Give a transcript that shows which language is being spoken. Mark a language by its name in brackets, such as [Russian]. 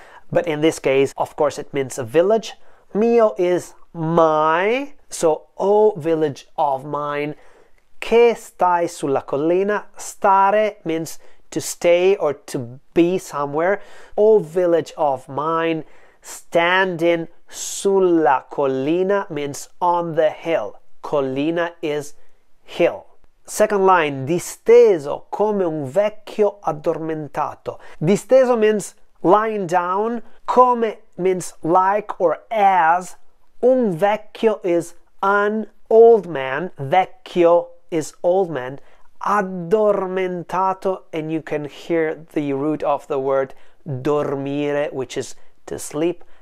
[English] But in this case, of course, it means a village. [Italian] Mio [English] is my, so o village of mine. [Italian] Che stai sulla collina. Stare [English] means to stay or to be somewhere. O village of mine, standing [Italian] sulla collina [English] means on the hill. [Italian] Collina [English] is hill. Second line, [Italian] disteso come un vecchio addormentato. Disteso [English] means lying down. [Italian] Come [English] means like or as. [Italian] Un vecchio [English] is an old man. [Italian] Vecchio [English] is old man. [Italian] Addormentato, [English] and you can hear the root of the word [Italian] dormire, [English] which is to sleep.